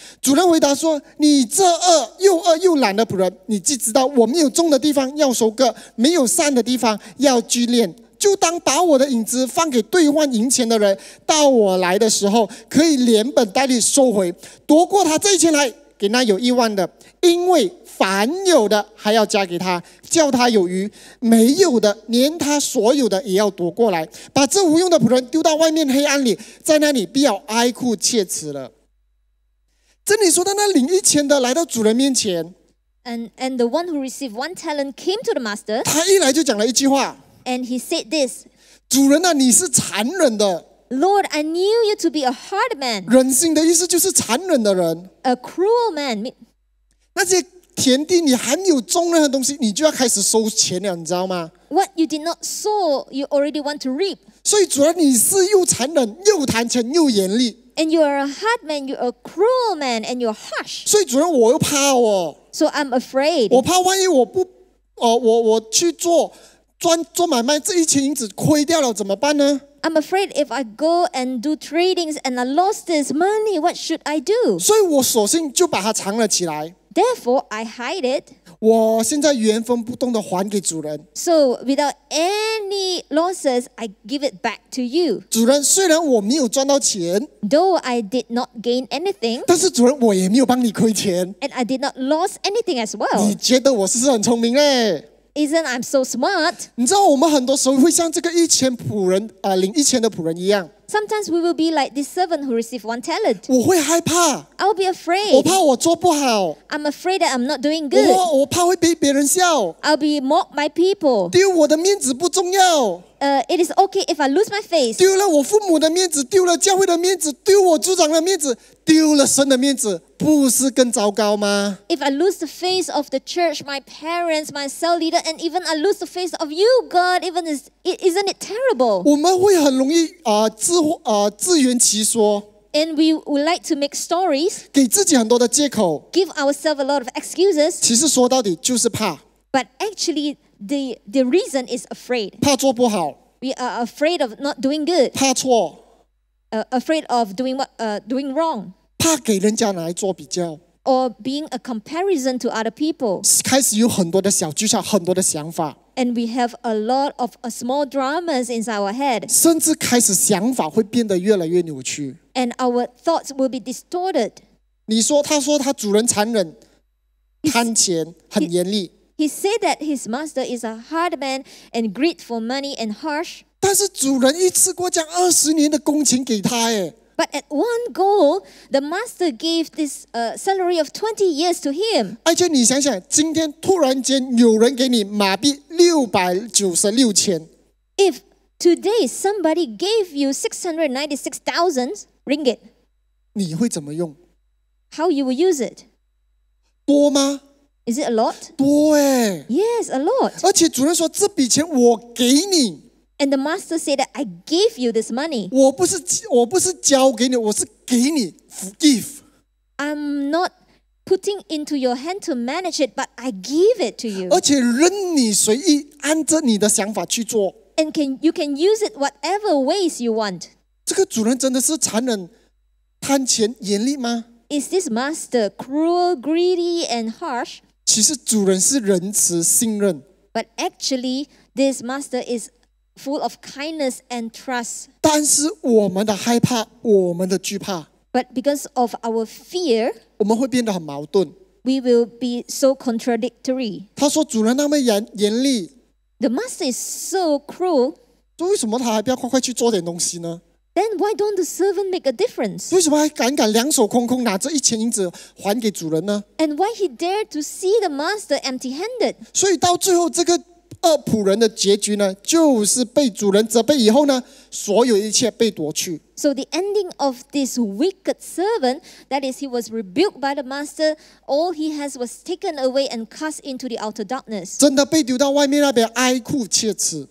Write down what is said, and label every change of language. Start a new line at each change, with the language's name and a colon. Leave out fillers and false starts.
Chinese: 主人回答说：“你这饿又懒的仆人，你既知道我没有种的地方要收割，没有散的地方要聚敛，就当把我的银子放给兑换银钱的人，到我来的时候可以连本带利收回，夺过他这一千来给那有一万的，因为凡有的还要加给他，叫他有余；没有的，连他所有的也要夺过来。把这无用的仆人丢到外面黑暗里，在那里必要哀哭切齿了。” 这里说到那领一千的来到主人面前
English: ，and the one who received one talent came to the master.
Chinese: 他一来就讲了一句话
English: ，and he said this:
Chinese: 主人啊，你是残忍的。
English: Lord, I knew you to be a hard man.
Chinese: 人心的意思就是残忍的人
English: ，a cruel man.
Chinese: 那些。田地你还没有种任何东西你就要开始收钱了你知道吗
English: What you did not sow, you already want to reap.
Chinese: 所以主要你是又残忍又贪钱又严厉
English: And you are a hard man, you are a cruel man, and you are harsh.
Chinese: 所以主要我又怕哦
English: So I'm afraid.
Chinese: 我怕万一我不、我去做赚做买卖这一千银子亏掉了怎么办呢
English: I'm afraid if I go and do tradings and I lost this money, what should I do?
Chinese: 所以我索性就把它藏了起来。
English: Therefore, I hide it.
Chinese: 我现在原封不动地还给主人。
English: So, without any losses, I give it back to you.
Chinese: 主人，虽然我没有赚到钱
English: ，though I did not gain anything.
Chinese: 但是主人，我也没有帮你亏钱
English: ，and I did not lose anything as well.
Chinese: 你觉得我是很聪明嘞？
English: Isn't I'm so smart?
Chinese: 你知道我们很多时候会像这个一千仆人啊、领一千的仆人一样。
English: Sometimes we will be like this servant who received one talent.
Chinese: 我会害怕。
English: I will be afraid.
Chinese: 我怕我做不好。
English: I'm afraid that I'm not doing good.
Chinese: 我怕会被别人笑。
English: I'll be mocked by people.
Chinese: 丢我的面子不重要。
English: It is okay if I lose my face.
Chinese: 丢了我父母的面子，丢了教会的面子，丢我组长的面子，丢了神的面子。不是更糟糕吗
English: ？If I lose the face of the church, my parents, my cell leader, and even I lose the face of you, God, even isn't it terrible?
Chinese: 我们会很容易自圆其说
English: ，and we would like to make stories，
Chinese: 给自己很多的借口
English: ，give ourselves a lot of excuses。
Chinese: 其实说到底就是怕
English: ，but actually the reason is afraid，
Chinese: 怕做不好
English: ，we are afraid of not doing good，
Chinese: 怕错
English: ，afraid of doing wrong。
Chinese: 怕给人家拿来做比较
English: ，or being a comparison to other people，
Chinese: 开始有很多的小剧场，很多的想法
English: ，and we have a lot of small dramas inside our head，
Chinese: 甚至开始想法会变得越来越扭曲
English: ，and our thoughts will be distorted。
Chinese: 你说，他说他主人残忍、贪钱、很严厉。
English: He said that his master is a hard man and greed for money and harsh。
Chinese: 但是主人一次过将二十年的工钱给他，哎。
English: But at one go, the master gave this salary of 20 years to him.
Chinese: 而且你想想，今天突然间有人给你马币696,000。
English: If today somebody gave you 696,000 ringgit,
Chinese: 你会怎么用
English: ？How you will use it?
Chinese: 多吗
English: Is it a lot?
Chinese: 多耶。
English: Yes, a lot.
Chinese: 而且主人说这笔钱我给你。
English: And the master said that I gave you this money.
Chinese: 我不是交给你, 我是给你, give.
English: I'm not putting into your hand to manage it, but I give it to you.
Chinese: 而且任你随意, 按着你的想法去做。
English: And you can use it whatever ways you want.
Chinese: 这个主人真的是残忍, 贪钱严厉吗?
English: Is this master cruel, greedy, and harsh?
Chinese: 其实主人是仁慈信任。
English: But actually, this master is full of kindness and trust.
Chinese: 但是我们的害怕, 我们的惧怕,
English: but because of our fear,
Chinese: 我们会变得很矛盾。
English: We will be so contradictory.
Chinese: 他说主人那么严厉。
English: The master is so cruel.
Chinese: 为什么他还不要快快去做点东西呢?
English: Then why don't the servant make a difference?
Chinese: 为什么还敢敢两手空空拿着一千银子还给主人呢?
English: And why he dared to see the master empty-handed?
Chinese: 所以到最后这个恶仆人的结局呢, 就是被主人责备以后呢, 所有一切被夺去。
English: So the ending of this wicked servant, that is, he was rebuked by the master, all he has was taken away and cast into the outer darkness.
Chinese: 真的被丢到外面那边哀哭切齿。